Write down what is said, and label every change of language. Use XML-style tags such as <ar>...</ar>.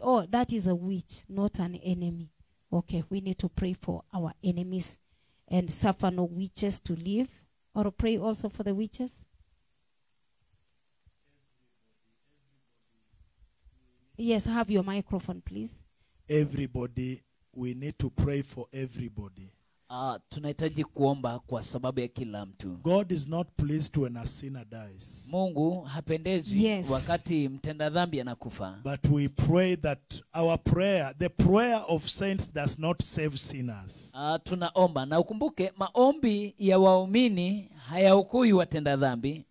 <en>Oh, that is a witch, not an enemy. Okay, we need to pray for our enemies and suffer no witches to live. Or pray also for the witches. Yes, have your microphone, please. Everybody, we need to pray for everybody.</en> <sw>Tunahitaji kuomba kwa sababu ya kila mtu.</sw> <en>God is not pleased when a sinner dies.</en> <sw>Mungu hapendezwi</sw> <en>yes.</en> <sw>wakati mtenda dhambi anakufa.</sw> <en>But we pray that our prayer, the prayer of saints does not save sinners.</en> <sw>Tunaomba na ukumbuke maombi ya waumini hayaokui watenda dhambi.</sw>